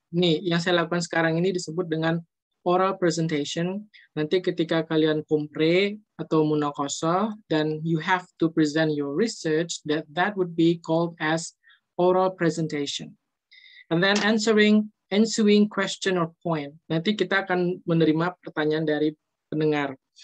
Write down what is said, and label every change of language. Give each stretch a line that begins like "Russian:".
Indonesian: Nih, yang saya lakukan sekarang ini disebut dengan oral presentation. Nanti ketika kalian kompre atau munakosa,
English: then you have to present your research, that would be called as oral presentation. And then answering question or point.
Indonesian: Nanti kita akan menerima pertanyaan dari pendengar.